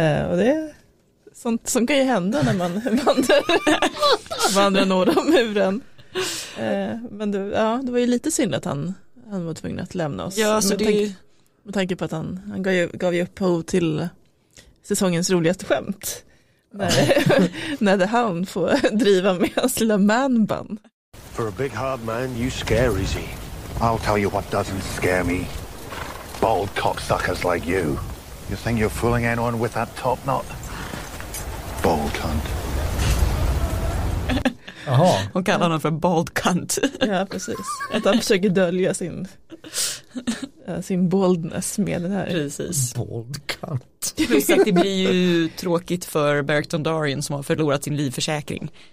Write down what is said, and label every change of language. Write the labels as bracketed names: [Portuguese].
[Swedish] Och det är sånt som kan ju hända när man vandrar norr om muren. Men det var ju lite synd att han var tvungen att lämna oss. Ja, så det är ju... Med tanke på att han gav ju upphov till säsongens roligaste skämt. När The Hound får driva med hans lilla man-bun. [English] For a big hard man, you scare easy. I'll tell you what doesn't scare me. Bald cocksuckers like you. You think you're fooling anyone with that top knot? Bald cunt. Aha. [Swedish] Hon kallar honom för [English] bald cunt. [Swedish] Ja, precis. Att han försöker dölja sin boldness med den här. Precis. [English] Bald cunt. [Swedish] Plus att det blir ju tråkigt för Beric Dondarrion som har förlorat sin livförsäkring.